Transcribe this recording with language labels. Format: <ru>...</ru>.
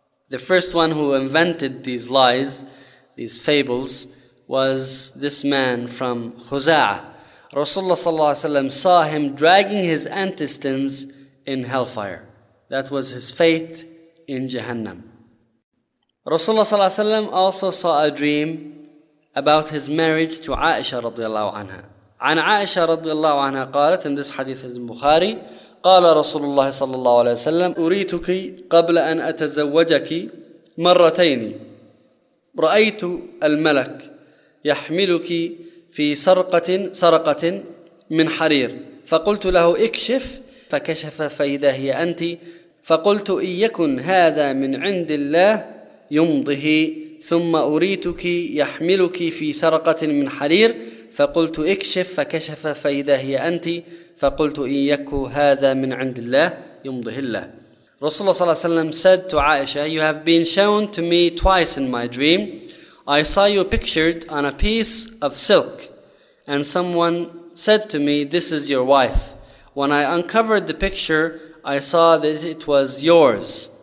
<en>The first one who invented these lies, these fables, was this man from Khuza'ah. Rasulullah sallallahu alayhi wa sallam saw him dragging his intestines in hellfire. That was his fate in Jahannam. Rasulullah sallallahu alayhi wa sallam also saw a dream about his marriage to Aisha radiallahu anha.</en> <ar>عن عائشة رضي الله عنها قالت</ar> <en>in this hadith is in Bukhari,</en> <ar>قال رسول الله صلى الله عليه وسلم أريتك قبل أن أتزوجك مرتين رأيت الملك يحملك في سرقة من حرير فقلت له اكشف فكشف فإذا هي أنت فقلت إن يكن هذا من عند الله يمضه ثم أريتك يحملك في سرقة من حرير فقلت اكشف فكشف فإذا هي أنت فقلت إن يكو هذا من عند الله يمضه الله.</ar> <en>Rasulullah sallallahu alayhi wa sallam said to Aisha, you have been shown to me twice in my dream. I saw you pictured on a piece of silk, and someone said to me, this is your wife. When I uncovered the picture, I saw that it was yours.</en>